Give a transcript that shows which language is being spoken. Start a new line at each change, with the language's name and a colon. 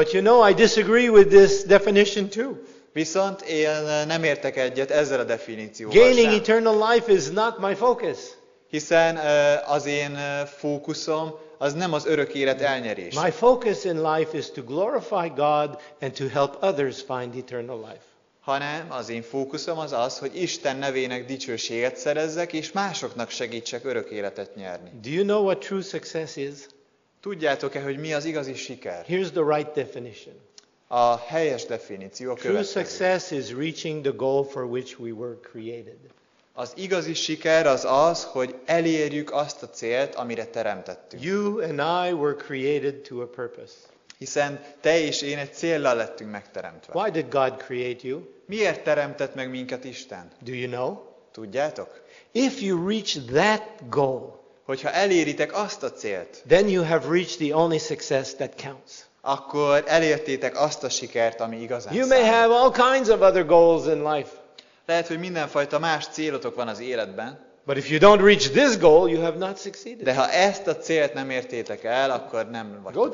English: But you know, I disagree with this definition too.
Hungarian: Viszont én nem értek egyet ezzel a definícióval.
English: Gaining
Hungarian: sem.
English: Eternal life is not my focus.
Hungarian: Hiszen az én fókuszom az nem az örök élet elnyerése.
English: My focus in life is to glorify God and to help others find eternal life.
Hungarian: Hanem az én fókuszom az az, hogy Isten nevének dicsőséget szerezzek és másoknak segítsek örök életet nyerni.
English: Do you know what true success is?
Hungarian: Tudjátok-e, hogy mi az igazi siker?
English: Here's the right definition.
Hungarian: A helyes definíció a
English: true
Hungarian: következő.
English: True success is reaching the goal for which we were created.
Hungarian: Az igazi siker az az, hogy elérjük azt a célt, amire teremtettünk.
English: You and I were created to a purpose.
Hungarian: Hiszen te és én egy céllal lettünk megteremtve.
English: Why did God create you?
Hungarian: Miért teremtett meg minket Isten?
English: Do you know?
Hungarian: Tudjátok?
English: If you reach that goal,
Hungarian: hogyha eléritek azt a célt,
English: then you have reached the only success that counts.
Hungarian: Akkor elértétek azt a sikert, ami igazán számít.
English: You may have all kinds of other goals in life.
Hungarian: Lehet, hogy mindenfajta más célotok van az életben.
English: But if you don't reach this goal, you have not succeeded.
Hungarian: De ha ezt a célt nem értétek el, akkor nem vagytok